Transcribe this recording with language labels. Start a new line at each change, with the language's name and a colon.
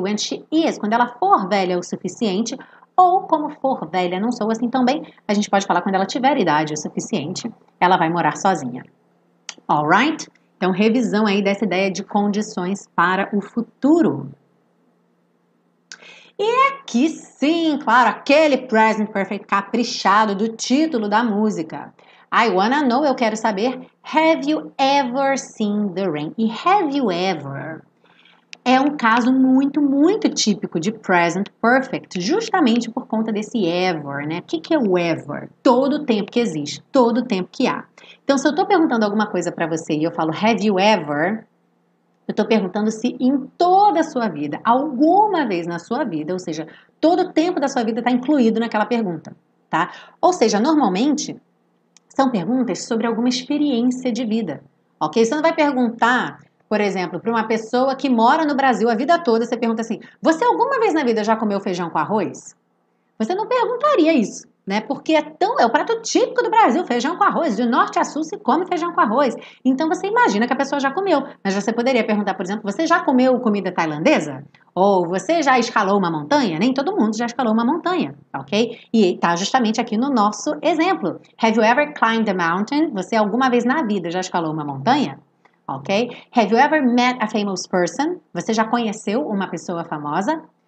English: When she is,
Portuguese: quando ela for velha o suficiente, ou como for velha, não sou assim também, a gente pode falar quando ela tiver idade o suficiente, ela vai morar sozinha. Alright? Então, revisão aí dessa ideia de condições para o futuro. Aqui sim, claro, aquele present perfect caprichado do título da música.
English: I wanna know,
Portuguese: eu quero saber.
English: Have you ever seen the rain? E have you ever?
Portuguese: É um caso muito, muito típico de present perfect, justamente por conta desse ever, né? O que é o ever? Todo tempo que existe, todo tempo que há. Então, se eu estou perguntando alguma coisa para você e eu falo,
English: have you ever?
Portuguese: Eu estou perguntando se em toda a sua vida, alguma vez na sua vida, ou seja, todo o tempo da sua vida está incluído naquela pergunta, tá? Ou seja, normalmente são perguntas sobre alguma experiência de vida, ok? Você não vai perguntar, por exemplo, para uma pessoa que mora no Brasil a vida toda, você pergunta assim: você alguma vez na vida já comeu feijão com arroz? Você não perguntaria isso. Né? Porque é o prato típico do Brasil, feijão com arroz. De norte a sul se come feijão com arroz. Então você imagina que a pessoa já comeu. Mas você poderia perguntar, por exemplo, você já comeu comida tailandesa? Ou você já escalou uma montanha? Nem todo mundo já escalou uma montanha, ok? E está justamente aqui no nosso exemplo.
English: Have you ever climbed a mountain?
Portuguese: Você alguma vez na vida já escalou uma montanha? Ok?
English: Have you ever met a famous person?
Portuguese: Você já conheceu uma pessoa famosa?